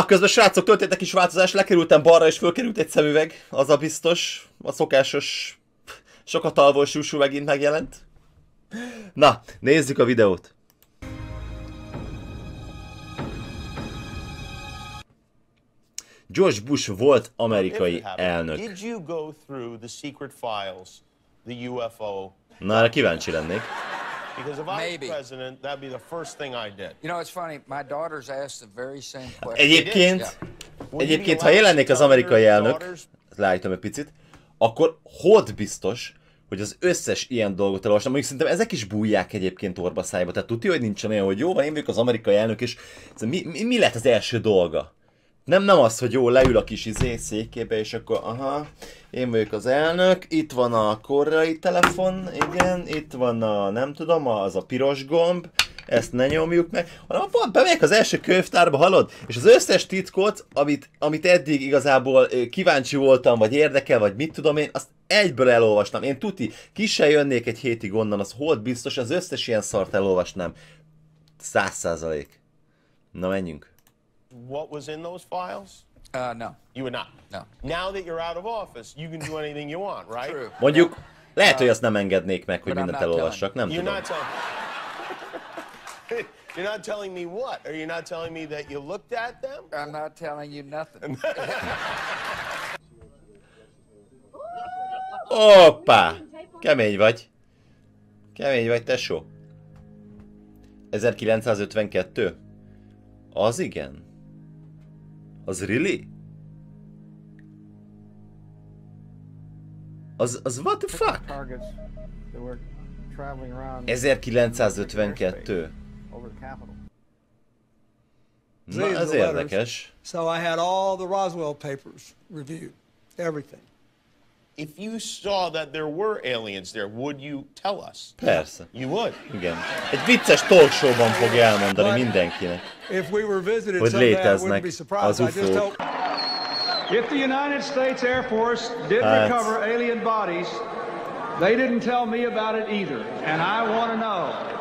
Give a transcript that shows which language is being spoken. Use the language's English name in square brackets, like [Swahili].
[Hungarian] Közben srácok, történt egy kis változás, lekerültem balra, és fölkerült egy szemüveg, az a biztos, a szokásos, sokat alvós Jussu megint megjelent. Na, nézzük a videót. George Bush volt amerikai elnök. [English] Did you go through the secret files, the UFO? [Hungarian] Na, erre kíváncsi lennék. [English] Because if I was president, that'd be the first thing I did. You know, it's funny, my daughters asked the very same question. [Hungarian] Egyébként, ha én lennék az amerikai elnök, leállítom egy picit, akkor hot biztos, hogy az összes ilyen dolgot elolvastam, mondjuk szerintem ezek is bújják egyébként orba szájba, tehát tudja, hogy nincsen olyan, hogy jó, van, én vagyok az amerikai elnök, és mi lett az első dolga? Nem az, hogy jó, leül a kis székébe, és akkor, aha, én vagyok az elnök, itt van a koreai telefon, igen, itt van a, nem tudom, az a piros gomb, ezt ne nyomjuk meg, hanem bemegyek az első könyvtárba, hallod? És az összes titkot, amit eddig igazából kíváncsi voltam, vagy érdekel, vagy mit tudom én, azt egyből elolvastam. Én tuti, ki se jönnék egy hétig onnan, az hold biztos, az összes ilyen szart elolvasnám. [English] 100%. [Hungarian] Na, menjünk. [English] What was in those files? No. You would not? No. Now that you're out of office, you can do anything you want, right? True. [Hungarian] Mondjuk, lehet, hogy azt nem engednék meg, hogy mindent elolvassak, nem tudom. [English] You're not telling me what? Are you not telling me that you looked at them? I'm not telling you nothing. [Hungarian] Hoppá! Kemény vagy, tesó. 1952? Az igen. Az [English] really? Az what the fuck? [Hungarian] 1952. Na, ez érdekes. [English] So I had all the Roswell papers reviewed, everything. If you saw that there were aliens there, would you tell us? [Hungarian] Persze. [English] You would. [Hungarian] Igen. Egy vicces talk show-ban fogja elmondani mindenkinek, [English] if we were visited, [Hungarian] hogy léteznek az UFO-k. [English] If the United States Air Force did recover alien bodies, they didn't tell me about it either, and I want to know.